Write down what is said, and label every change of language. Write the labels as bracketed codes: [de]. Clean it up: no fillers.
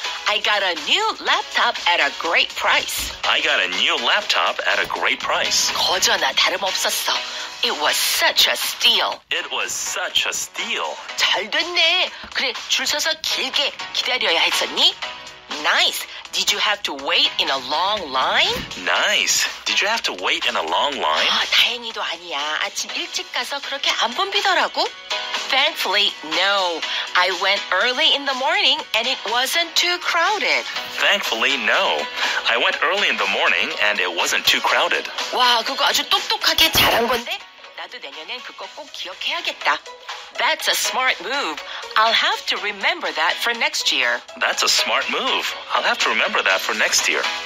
[en] I got a new laptop at a great price. I got a new laptop at a great price. [ko] 거저나 다름없었어. [en] It was such a steal. It was such a steal. [ko] 잘 됐네. 그래, 줄 서서 길게 기다려야 했었니? [en] Nice. Did you have to wait in a long line? Nice. Did you have to wait in a long line? [ko] 다행히도 아니야. 아침 일찍 가서 그렇게 안 붐비더라고. [en] Thankfully, no. I went early in the morning and it wasn't too crowded. Thankfully, no. I went early in the morning and it wasn't too crowded. [ko] 와, 그거 아주 똑똑하게 잘한 건데? 나도 내년엔 그거 꼭 기억해야겠다. [en] That's a smart move. I'll have to remember that for next year. That's a smart move. I'll have to remember that for next year.